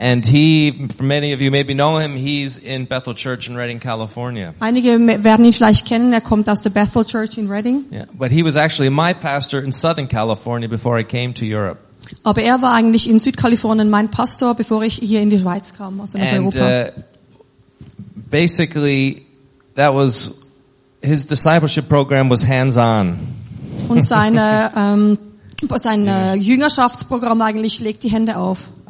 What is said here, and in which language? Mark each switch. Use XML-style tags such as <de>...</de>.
<en>And he, for many of you maybe know him, he's in Bethel Church in Redding, California.</en> <de>Einige werden ihn vielleicht kennen, er kommt aus der Bethel Church in Redding.</de> <en>Yeah, but he was actually my pastor in Southern California before I came to Europe.</en> <de>Aber er war eigentlich in Südkalifornien mein Pastor, bevor ich hier in die Schweiz kam, also nach</de> <en>and,</en> <de>Europa.</de> <en>Basically that was his discipleship program was hands-on.</en> <de>Und seine sein Jüngerschaftsprogramm eigentlich legt die Hände auf.</de>